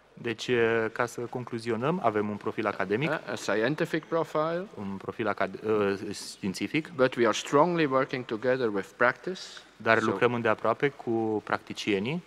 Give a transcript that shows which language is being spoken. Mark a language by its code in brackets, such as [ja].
[ro] Deci ca să concluzionăm, avem un profil academic, [en] a scientific profile, [ro] un profil științific, [en] but we are strongly working together with practice. [ro] Dar lucrăm îndeaproape cu practicienii.